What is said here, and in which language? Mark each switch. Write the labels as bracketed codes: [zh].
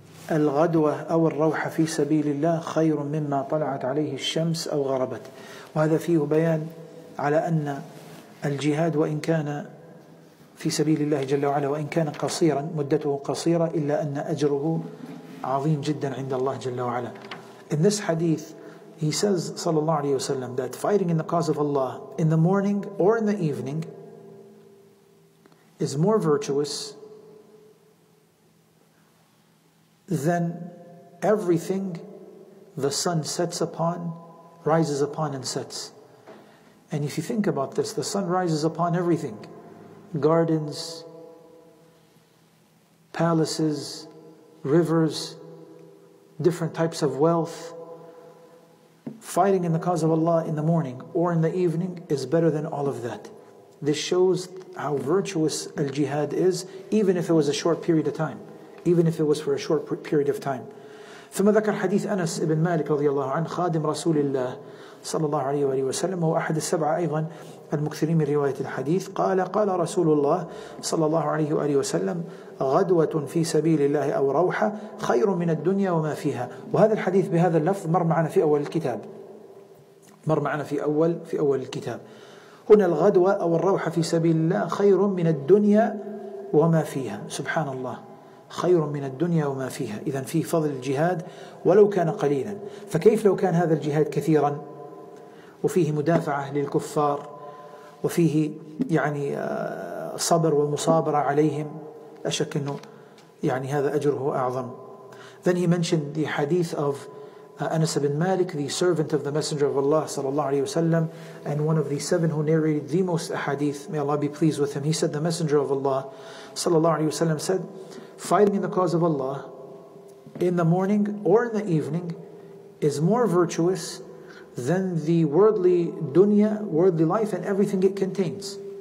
[ar] الغدوة أو الروحة في سبيل الله خير مما طلعت عليه الشمس أو غربت. وهذا فيه بيان على أن الجهاد وإن كان في سبيل الله جل وعلا وإن كان قصيرا مدته قصيرة إلا أن أجره عظيم جدا عند الله جل وعلا. [en] In this hadith he says [ar] صلى الله عليه وسلم [en] that fighting in the cause of Allah in the morning or in the evening is more virtuous than everything the sun sets upon, rises upon and sets. And if you think about this, the sun rises upon everything. Gardens, palaces, rivers, different types of wealth. Fighting in the cause of Allah in the morning or in the evening is better than all of that. This shows how virtuous al-jihad is, even if it was a short period of time. Even if it was for a short period of time. [ar] ثم ذكر حديث أنس بن مالك رضي الله عنه خادم رسول الله صلى الله عليه وآله وسلم هو أحد السبعة أيضا المكثرين من رواية الحديث قال قال رسول الله صلى الله عليه وآله وسلم غدوة في سبيل الله أو روحة خير من الدنيا وما فيها. وهذا الحديث بهذا اللفظ مر معنا في أول الكتاب مر معنا في أول الكتاب. هنا الغدوة أو الروحة في سبيل الله خير من الدنيا وما فيها. سبحان الله، خير من الدنيا وما فيها. إذن فيه فضل الجهاد ولو كان قليلا، فكيف لو كان هذا الجهاد كثيرا وفيه مدافعة للكفار وفيه يعني صبر ومصابرة عليهم؟ أشك أنه يعني هذا أجره أعظم. [en] Then he mentioned the hadith of Anas ibn Malik, the servant of the Messenger of Allah [ar] صلى الله عليه وسلم, [en] and one of the seven who narrated the most hadith, may Allah be pleased with him. He said the Messenger of Allah [ar] صلى الله عليه وسلم [en] said fighting in the cause of Allah in the morning or in the evening is more virtuous than the worldly dunya, worldly life, and everything it contains.